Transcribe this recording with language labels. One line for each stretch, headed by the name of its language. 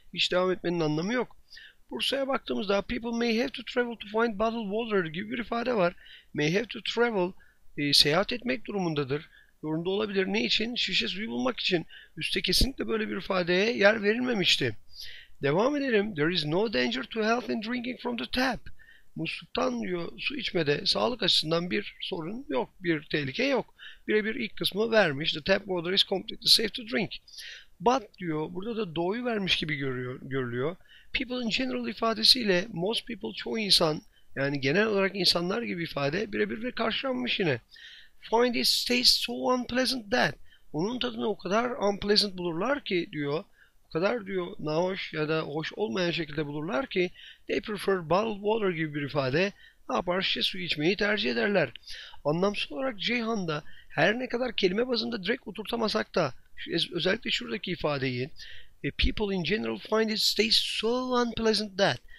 Turkish: Hiç devam etmenin anlamı yok. Bursa'ya baktığımızda
English: people may have to travel to find bottled water
Turkish: gibi bir ifade var. May have to travel seyahat etmek durumundadır. Zorunda olabilir. Ne için? Şişe suyu bulmak için. Üste kesinlikle böyle bir ifadeye yer verilmemişti. Devam edelim.
English: There is no danger to health in drinking from the tap.
Turkish: Musluktan diyor su içmede sağlık açısından bir sorun yok, bir tehlike yok. Birebir ilk kısmı vermiş.
English: The tap water is completely safe to drink.
Turkish: But diyor burada da do'yu vermiş gibi görülüyor. People in general ifadesiyle most people çoğu insan yani genel olarak insanlar gibi ifade birebir karşılanmış yine.
English: Find this taste so unpleasant that.
Turkish: Onun tadını o kadar unpleasant bulurlar ki diyor. Kadar diyor nahoş ya da hoş olmayan şekilde bulurlar ki
English: they prefer bottled water
Turkish: gibi bir ifade ne yapar şişe suyu içmeyi tercih ederler. Anlamsız olarak Ceyhan'da her ne kadar kelime bazında direkt oturtamasak da özellikle şuradaki ifadeyi
English: people in general find it taste so unpleasant that.